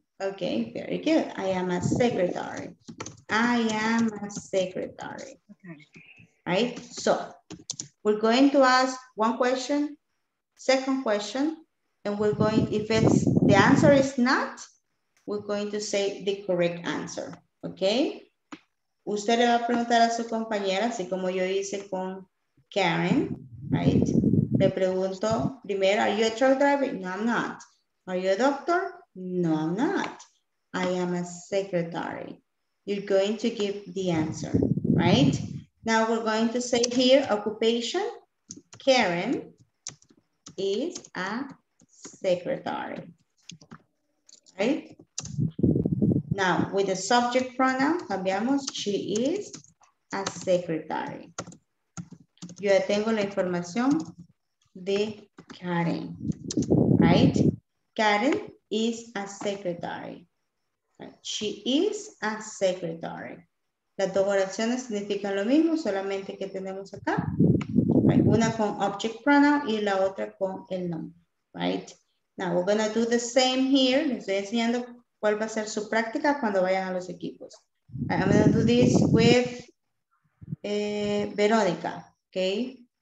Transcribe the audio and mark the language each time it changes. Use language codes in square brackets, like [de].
[en] Okay, very good. I am a secretary. I am a secretary. Okay. Right? So, we're going to ask one question, second question, and we're going, if it's the answer is not, we're going to say the correct answer, okay? [es] Usted le va a preguntar a su compañera, así como yo hice con Karen, right? Le pregunto primero, [en] are you a truck driver? No, I'm not. Are you a doctor? No, I'm not. I am a secretary. You're going to give the answer, right? Now we're going to say here, occupation, Karen is a secretary, right? Now, with the subject pronoun, cambiamos, she is a secretary. [es] Yo ya tengo la información de Karen, right? [en] Karen is a secretary. She is a secretary. [es] Las dos oraciones significan lo mismo, solamente que tenemos acá, right? Una con object pronoun y la otra con el nombre, right? [en] Now, we're going to do the same here. [es] Les estoy enseñando cuál va a ser su práctica cuando vayan a los equipos. [en] I'm going to do this with Verónica, okay?